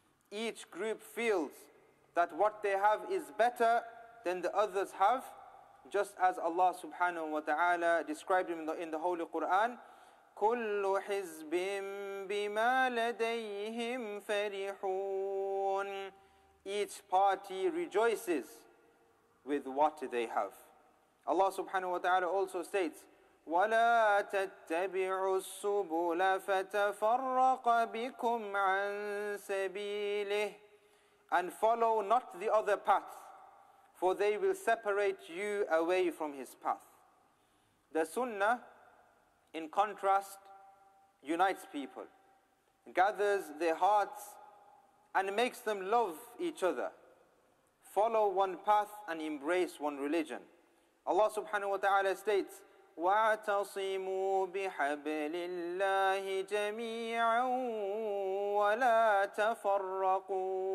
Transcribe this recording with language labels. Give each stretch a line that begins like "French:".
English: Each group feels that what they have is better than the others have, just as Allah subhanahu wa ta'ala described him in the Holy Quran,
Arabic: كُلُّ حِزْبٍ بِمَا لَدَيْهِمْ فَرِحُونَ.
English: Each party rejoices with what they have. Allah subhanahu wa ta'ala also states,
Arabic: وَلَا تَتَّبِعُوا السُّبُلَ فَتَفَرَّقَ بِكُمْ عَن سَبِيلِهِ.
English: And follow not the other path, for they will separate you away from his path. The sunnah, in contrast, unites people, gathers their hearts, and makes them love each other, follow one path, and embrace one religion. Allah subhanahu wa ta'ala states,
Arabic: وَاعْتَصِمُوا بِحَبْلِ اللَّهِ جَمِيعًا وَلَا تَفَرَّقُوا.